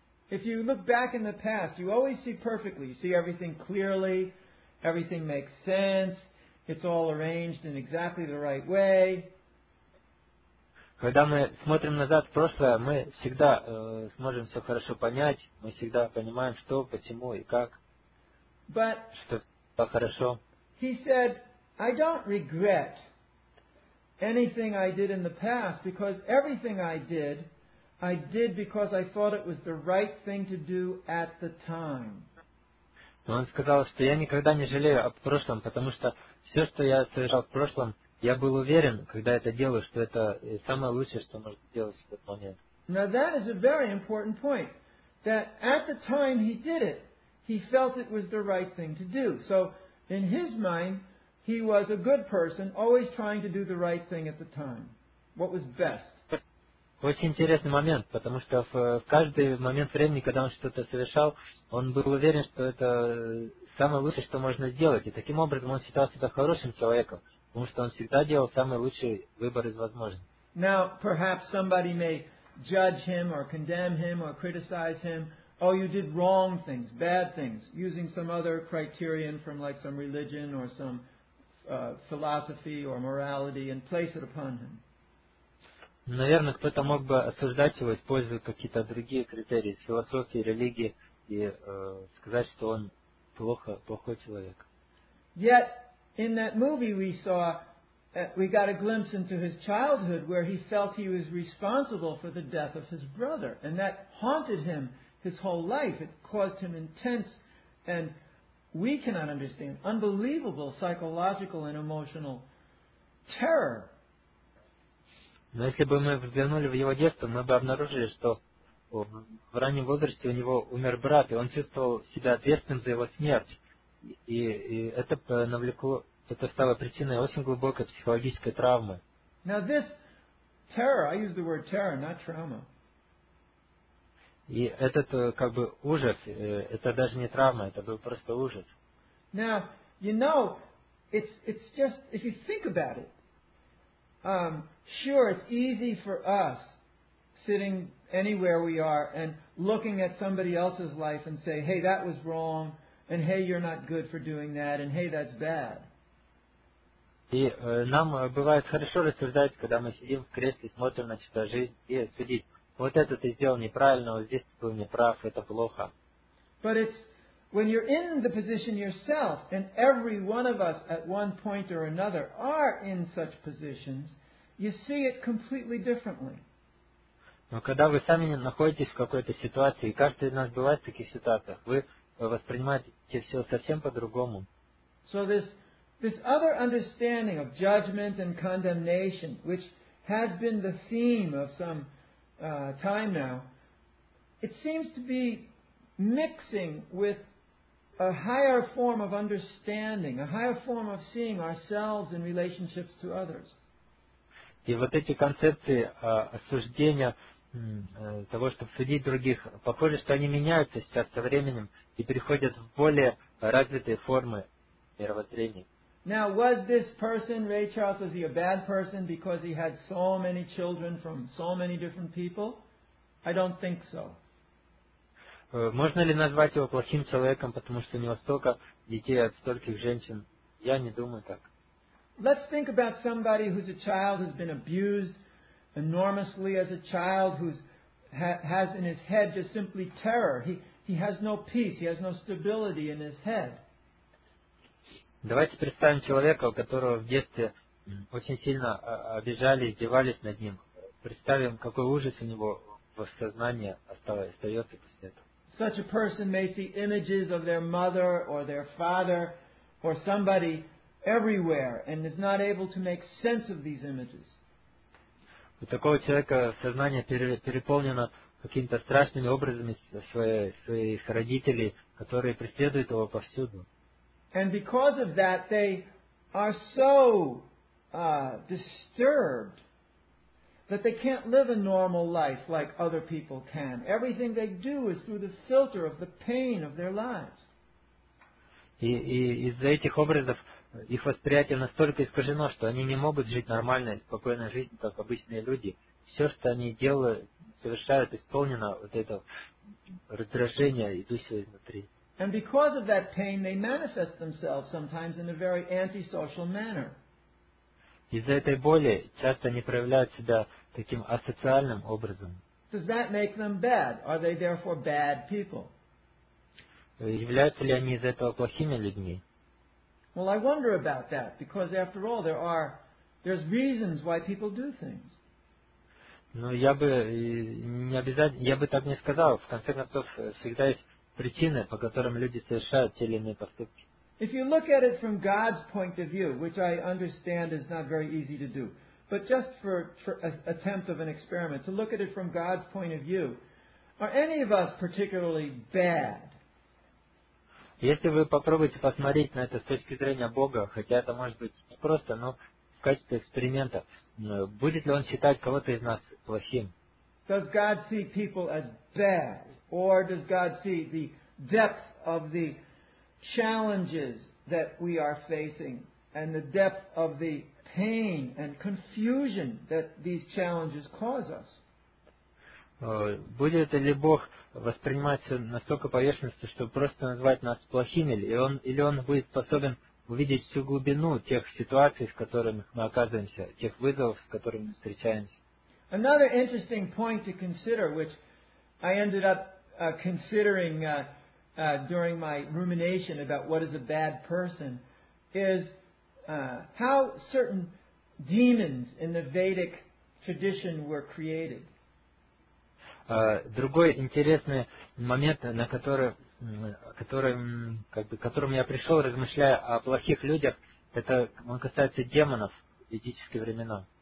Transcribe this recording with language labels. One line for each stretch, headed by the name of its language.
English: If you look back in the past, you always see perfectly. You see everything clearly, everything makes sense, it's all arranged in exactly the right way.
Russian: Когда мы смотрим назад в прошлое, мы всегда сможем все хорошо понять, мы всегда понимаем, что, почему и как.
English: But
Russian: хорошо.
English: He said, I don't regret anything I did in the past, because everything I did because I thought it was the right thing to do at the time.
Russian: Он сказал, что я никогда не жалею о прошлом, потому что все, что я совершал в прошлом, я был уверен, когда это делаю, что это самое лучшее, что можно делать в этот момент.
English: Now that is a very important point, that at the time he did it, he felt it was the right thing to do. So in his mind, he was a good person, always trying to do the right thing at the time. What was best?
Russian: Очень интересный момент, потому что в каждый момент времени, когда он что-то совершал, он был уверен, что это самое лучшее, что можно сделать. И таким образом он считал себя хорошим человеком, потому что он всегда делал самый лучший выбор из возможных.
English: Now, perhaps somebody may judge him or condemn him or criticize him. Oh, you did wrong things, bad things, using some other criterion from like some religion or some philosophy or morality and place it upon him.
Russian: Наверное, кто-то мог бы осуждать его, используя какие-то другие критерии, философии, религии, и сказать, что он плохой человек.
English: Yet, in that movie we saw, we got a glimpse into his childhood, where he felt he was responsible for the death of his brother. And that haunted him his whole life. It caused him intense and, we cannot understand, unbelievable psychological and emotional terror.
Russian: Но если бы мы взглянули в его детство, мы бы обнаружили, что в раннем возрасте у него умер брат, и он чувствовал себя ответственным за его смерть. И это навлекло, это стало причиной очень глубокой психологической травмы.
English: Now this terror, I use the word terror, not trauma.
Russian: И этот как бы ужас, это даже не травма, это был просто ужас.
English: Now, you know, it's just, if you think about it, sure, it's easy for us sitting anywhere we are and looking at somebody else's life and say, hey, that was wrong, and hey, you're not good for doing that, and hey, that's bad.
Russian: И нам бывает хорошо рассуждать, когда мы сидим в кресле, смотрим на чью-то жизнь и судим. Вот это ты сделал неправильно, вот здесь ты был неправ, это плохо.
English: But it's when you're in the position yourself, and every one of us at one point or another are in such positions, you see it completely differently.
Russian: Но когда вы сами находитесь в какой-то ситуации, и каждый из нас бывает в таких ситуациях, вы воспринимаете все совсем по-другому.
English: So this other understanding of judgment and condemnation, which has been the theme of some time now, it seems to be mixing with a higher form of understanding, a higher form of seeing ourselves in relationships to others.
Russian: И вот эти концепции осуждения, того, чтобы судить других, похоже, что они меняются сейчас со временем и переходят в более развитые формы мировоззрения.
English: Now, was this person, Ray Charles, was he a bad person because he had so many children from so many different people? I don't think so.
Russian: Можно ли назвать его плохим человеком, потому что у него столько детей от стольких женщин? Я не думаю так.
English: Let's think about somebody who's a child, who's been abused enormously as a child, who has in his head just simply terror. He has no peace, he has no stability in his head.
Russian: Давайте представим человека, у которого в детстве очень сильно обижали, издевались над ним. Представим, какой ужас у него в сознании остается после этого.
English: Such a person may see images of their mother or their father or somebody everywhere and is not able to make sense of these images.
Russian: У такого человека сознание переполнено какими-то страшными образами своих родителей, которые преследуют его повсюду.
English: And because of that, they are so disturbed that they can't live a normal life like other people can. Everything they do is through the filter of the pain of their lives.
Russian: И из-за этих образов их восприятие настолько искажено, что они не могут жить нормальной, спокойной жизнью, как обычные люди. Все, что они делают, совершают, исполнено вот этого раздражения, идущего изнутри.
English: And because of that pain, they manifest themselves sometimes in a very antisocial manner.
Russian: Из-за этой боли часто они проявляют себя таким асоциальным образом.
English: Does that make them bad? Are they therefore bad people?
Russian: Являются ли они из-за этого плохими людьми?
English: Well, I wonder about that, because after all, there's reasons why people do things.
Russian: Ну, я бы так не сказал. В конце концов, всегда есть причины, по которым люди совершают те или иные поступки.
English: If you look at it from God's point of view, which I understand is not very easy to do, but just for attempt of an experiment, to look at it from God's point of view, are any of us particularly bad?
Russian: Если вы попробуете посмотреть на это с точки зрения Бога, хотя это может быть не просто, но в качестве эксперимента, будет ли он считать кого-то из нас плохим?
English: Does God see people as bad? Or does God see the depth of the challenges that we are facing and the depth of the pain and confusion that these challenges cause us?
Russian: Будет ли Бог воспринимать все настолько поверхностно, чтобы просто назвать нас плохими, или он будет способен увидеть всю глубину тех ситуаций, в которых мы оказываемся, тех вызовов, с которыми мы встречаемся?
English: Another interesting point to consider, which I ended up considering during my rumination about what is a bad person, is how certain demons in the Vedic tradition were created.
Russian: Другой интересный момент, к которому я пришел, размышляя о плохих людях, это он касается демонов в ведические времена.